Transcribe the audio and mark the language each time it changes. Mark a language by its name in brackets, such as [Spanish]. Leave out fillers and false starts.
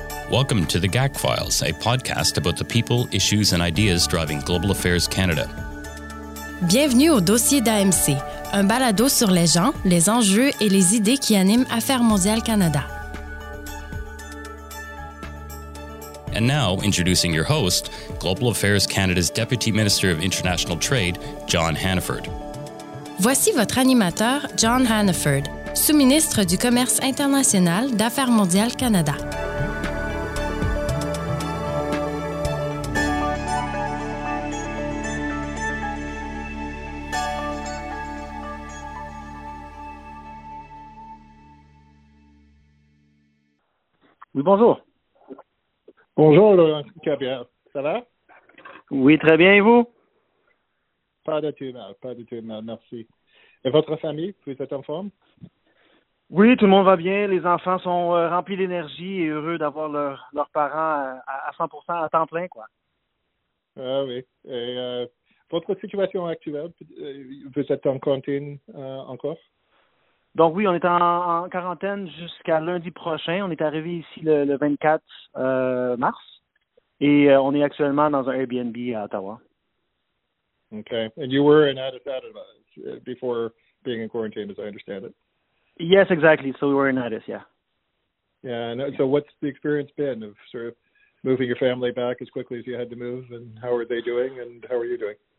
[English] Welcome to The GAC Files, a podcast about the people, issues and ideas driving Global Affairs Canada. [French] Bienvenue au dossier d'AMC, un balado sur les gens, les enjeux et les idées qui animent Affaires mondiales Canada. [English] And now, introducing your host, Global Affairs Canada's Deputy Minister of International Trade, John Hannaford. [French] Voici votre animateur, John Hannaford, sous-ministre du Commerce international d'Affaires mondiales Canada. Oui, bonjour. Bonjour, Laurent Cabrière. Ça va? Oui, très bien. Et vous? Pas de tumeur, pas de tumeur. Merci. Et votre famille, vous êtes en forme? Oui, tout le monde va bien. Les enfants sont remplis d'énergie et heureux d'avoir leurs parents à 100% à temps plein, quoi. Ah oui. Et votre situation actuelle, vous êtes en quarantaine encore? Donc oui, on est en quarantaine jusqu'à lundi prochain. On est arrivé ici le 24 mars et on est actuellement dans un Airbnb à Ottawa. OK. [English] And you were in Addis before being in quarantine, as I understand it. Yes, exactly. So we were in Addis, yeah. Yeah. And so what's the experience been of sort of moving your family back as quickly as you had to move, and how are they doing and how are you doing?